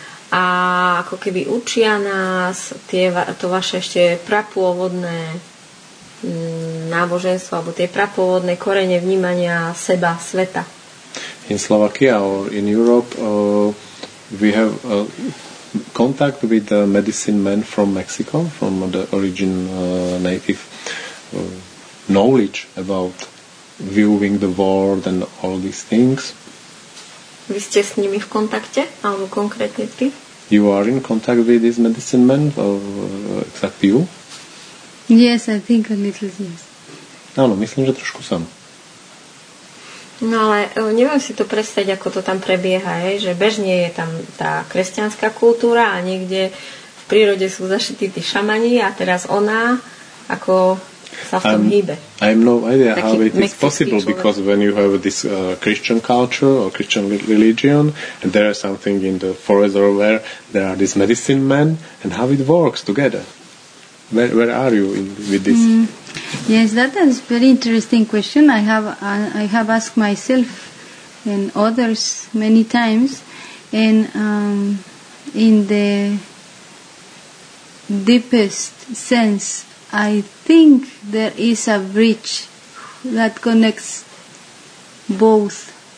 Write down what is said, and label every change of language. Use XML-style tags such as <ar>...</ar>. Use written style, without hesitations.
<sk>A ako keby učia nás tie, to vaše ešte prapôvodné náboženstvo alebo tie prapôvodné korene vnímania seba, sveta.</sk> <en>In Slovakia or in Europe we have contact with the medicine men from Mexico, from the origin native knowledge about viewing the world and all these things.</en> <sk>Vy ste s nimi v kontakte? Alebo konkrétne ty?</sk> <en>You are in contact with this medicine man, or exactly you? Yes, I think a little yes.</en> <sk>Áno, myslím, že trošku som. No ale neviem si to predstaviť, ako to tam prebieha, je, že bežne je tam tá kresťanská kultúra a niekde v prírode sú zašití tí šamani a teraz ona ako sa v tom hýbe.</sk> <en>I have no idea how it is possible človek. Because when you have this Christian culture or Christian religion and there is something in the forest or where there are these medicine men and how it works together. Where are you in, with this? Yes, that is a very interesting question. I have asked myself and others many times and in the deepest sense I think there is a bridge that connects both.</en>